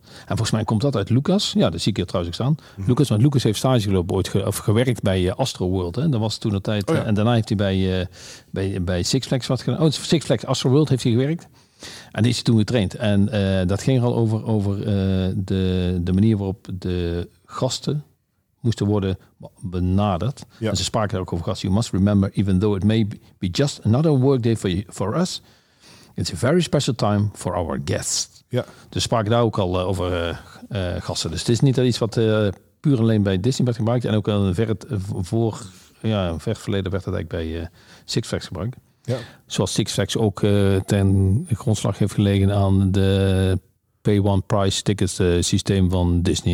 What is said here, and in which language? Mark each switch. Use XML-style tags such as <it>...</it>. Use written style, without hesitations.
<nl>En volgens mij komt dat uit Lucas. Ja, dat zie ik hier trouwens ook staan. Mm-hmm. Lucas, want Lucas heeft stage gelopen ooit gewerkt bij Astroworld. Hè. Dat was toen het tijd. Oh, ja. En daarna heeft hij bij Six Flags wat gedaan. Oh, Six Flags Astroworld heeft hij gewerkt. En die is hij toen getraind. En dat ging er al over de manier waarop de gasten moesten worden benaderd. Ja. En ze spraken er ook over gasten.</nl> <en>You must remember, even though it may be just another workday for us, it's a very special time for our guests.</en> <nl>Ja. Dus spraken daar ook al over gasten. Dus het is niet dat iets wat puur alleen bij Disney werd gebruikt. En ook al ver verleden werd dat eigenlijk bij Six Flags gebruikt. Ja. Zoals Six Flags ook ten grondslag heeft gelegen aan de Pay One Price Tickets systeem van Disney.</nl>